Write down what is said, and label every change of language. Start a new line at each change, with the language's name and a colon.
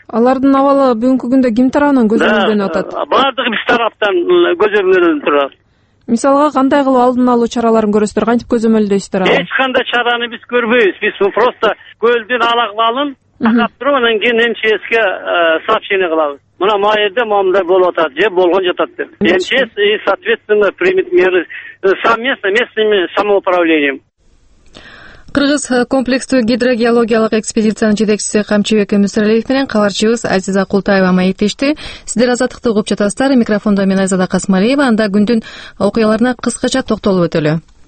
Kyrgyz: Алардын абалы бүгүнкү күндө ким тарабынан көзөмөлдөнүп атат? Баардыгы биз тараптан көзөмөлдөнүп турат. Мисалга кандай кылып алдын алуу чараларын көрөсүздөр, кантип көзөмөлдөйсүздөр алар? Эч кандай чараны биз көрбөйбүз. Биз просто көлдүн алагбалын такап туруп, анан кийин МЧСке сообщение кылабыз. Мына могу жерде момундай болуп атат же болгон жатат деп.
Russian: МЧС и соответственно примет меры совместно местным самоуправлением.
Kyrgyz: Кыргыз комплекстүү гидрогеологиялык экспедициянын жетекчиси Камчыбек Мүсүралиев менен кабарчыбыз Азиза Култаева маектешти. Сиздер Азаттыкты угуп жатасыздар. Микрофондо мен Айзада Касмалиева. Анда күндүн окуяларына кыскача токтолуп өтөлү.